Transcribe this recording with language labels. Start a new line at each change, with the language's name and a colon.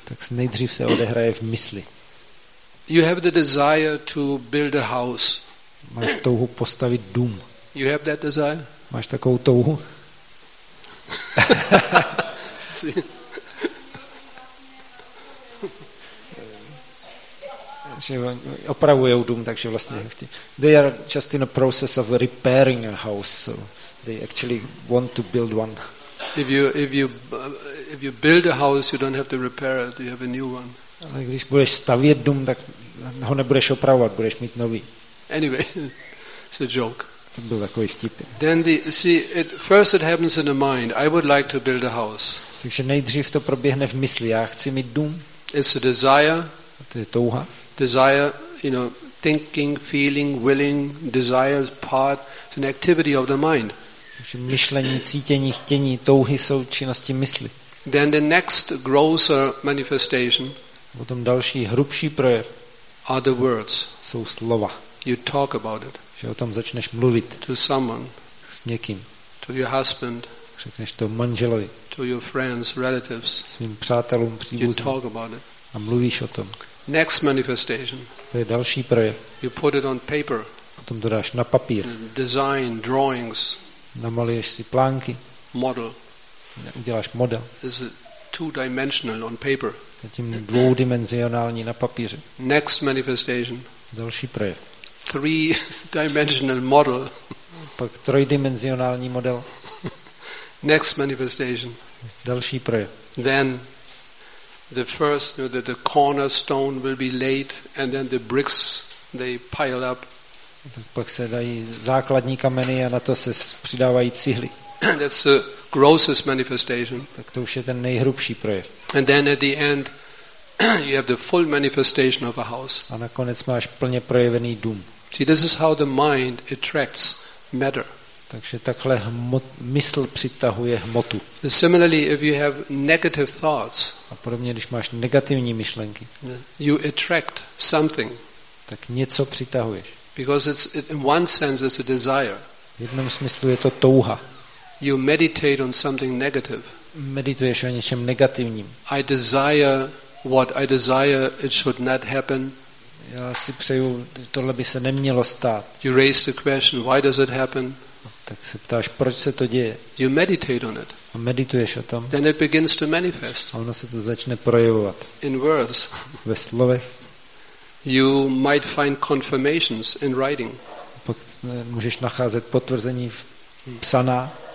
Czech: Tak nejdřív se odehraje v mysli.
English: You have the desire to build a house.
Czech: Máš touhu postavit dům.
English: You have that desire?
Czech: Máš takovou touhu? Že opravují dům, takže vlastně
English: they are just in a process of repairing a house, so they actually want to build one. If you build a house, you don't have to repair it, you have a new one.
Czech: Ale když budeš stavět dům, tak ho nebudeš opravovat, budeš mít nový.
English: Anyway, it's a joke.
Czech: To byl takový vtip.
English: Then the see it first it happens in the mind. I would like to build a house.
Czech: Takže nejdřív to proběhne v mysli. Já chci mít dům.
English: It's a desire.
Czech: A to je touha.
English: Desire, you know, thinking, feeling, willing, desire is part, it's an activity of the mind.
Czech: Takže myšlení, cítění, chtění, touhy jsou činnosti mysli.
English: Then the next grosser manifestation.
Czech: Potom další hrubší projev.
English: Are the words.
Czech: Jsou slova.
English: You talk about it.
Czech: Že o tom začneš mluvit.
English: To someone.
Czech: S někým.
English: To your husband.
Czech: Řekneš to manželovi.
English: To your friends, relatives.
Czech: Svým přátelům, příbuzným.
English: You talk about it.
Czech: A mluvíš o tom.
English: Next manifestation.
Czech: To je další projev.
English: You put it on paper.
Czech: Potom to dáš na papír.
English: Design, drawings.
Czech: Namaluješ si plánky.
English: Model.
Czech: Uděláš model.
English: Is it two-dimensional on paper.
Czech: Zatím dvoudimenzionální na papíře.
English: Next manifestation.
Czech: Další projev.
English: Three-dimensional model.
Czech: Pak trojdimenzionální model.
English: Next manifestation.
Czech: Další projev.
English: Then the first, you know, the cornerstone will be laid, and then the bricks they pile up.
Czech: Pak se dají základní kameny a na to se přidávají cihly.
English: That's the grossest manifestation.
Czech: Tak to už je ten nejhrubší projev.
English: And then at the end, you have the full manifestation of a house.
Czech: A nakonec máš plně projevený dům.
English: See, this is how the mind attracts matter.
Czech: Takže takhle mysl přitahuje hmotu.
English: Similarly, if you have negative thoughts,
Czech: a podobně, když máš negativní myšlenky,
English: you attract something.
Czech: Tak něco přitahuješ.
English: Because it's in one sense it's a desire.
Czech: V jednom smyslu je to touha.
English: You meditate on something negative.
Czech: Medituješ o něčem negativním.
English: I desire what I desire it should not happen.
Czech: Já si přeju, tohle by se nemělo stát.
English: You raise the question, why does it happen?
Czech: Tak se ptáš, proč se to děje?
English: You meditate on it.
Czech: A medituješ o tom.
English: Then it begins to manifest.
Czech: A ono se to začne projevovat.
English: In words.
Czech: Ve slovech.
English: You might find confirmations in writing.
Czech: Pak můžeš nacházet potvrzení v psaná.